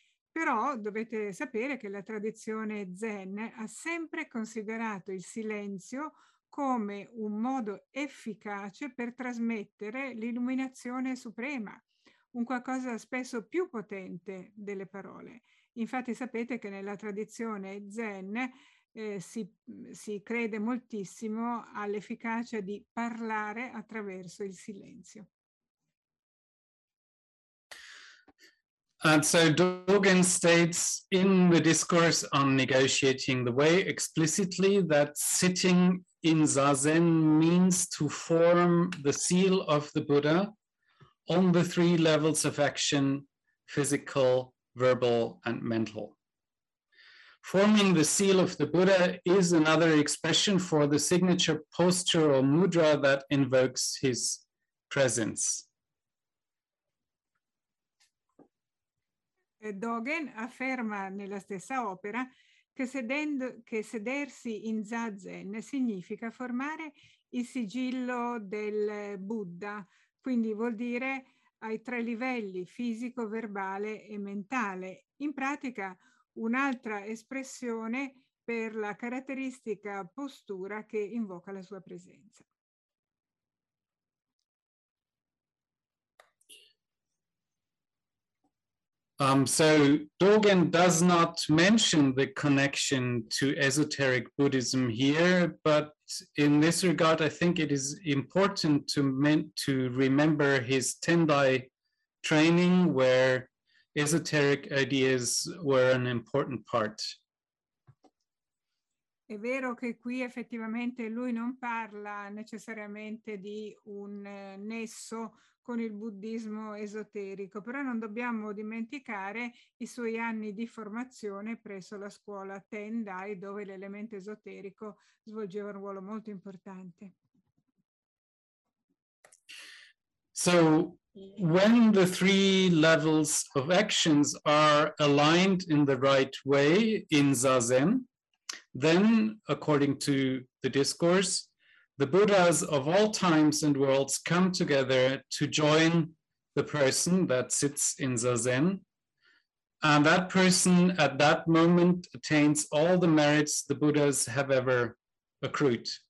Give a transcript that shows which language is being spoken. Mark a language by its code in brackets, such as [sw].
[it] Però dovete sapere che la tradizione Zen ha sempre considerato il silenzio come un modo efficace per trasmettere l'illuminazione suprema, un qualcosa spesso più potente delle parole. Infatti sapete che nella tradizione Zen si crede moltissimo all'efficacia di parlare attraverso il silenzio. [en] And so Dogen states in the discourse on negotiating the way explicitly that sitting in Zazen means to form the seal of the Buddha on the three levels of action, physical, verbal, and mental. Forming the seal of the Buddha is another expression for the signature posture or mudra that invokes his presence. [it] Dogen afferma nella stessa opera che sedersi in Zazen significa formare il sigillo del Buddha, quindi vuol dire ai tre livelli fisico, verbale e mentale. In pratica, un'altra espressione per la caratteristica postura che invoca la sua presenza. [en] So Dogen does not mention the connection to esoteric Buddhism here, but in this regard, I think it is important to remember his Tendai training, where esoteric ideas were an important part. [it] È vero che qui effettivamente lui non parla necessariamente di un nesso con il buddismo esoterico, però non dobbiamo dimenticare i suoi anni di formazione presso la scuola Tendai, dove l'elemento esoterico svolgeva un ruolo molto importante. [en] So, when the three levels of actions are aligned in the right way in Zazen, then, according to the discourse, the Buddhas of all times and worlds come together to join the person that sits in Zazen, and that person at that moment attains all the merits the Buddhas have ever accrued.